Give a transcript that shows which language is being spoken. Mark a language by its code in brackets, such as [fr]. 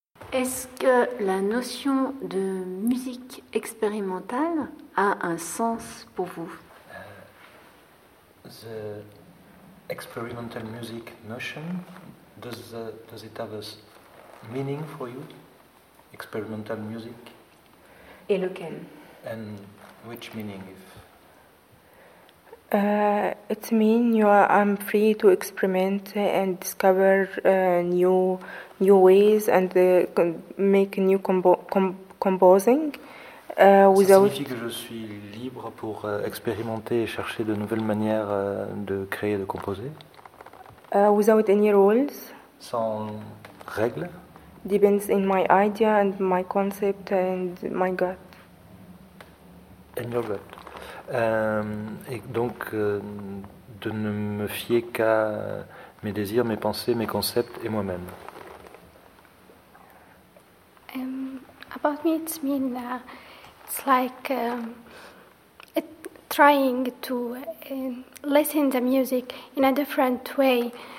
[fr] Est-ce que la notion de musique expérimentale a un sens pour vous? [en] The experimental music notion, does it have a meaning for you? Experimental music? [fr] Et lequel? [en] And which meaning if? It means you are free to experiment and discover new ways and make new composing. [fr] Ça signifie que je suis libre pour expérimenter et chercher de nouvelles manières de créer et de composer. [en] Without any rules. [fr] Sans règles. [en] Depends in my idea and my concept and my gut. And your gut. [fr] Et donc de ne me fier qu'à mes désirs, mes pensées, mes concepts et moi-même. [en] About me, it's mean that it's like trying to listen to music in a different way.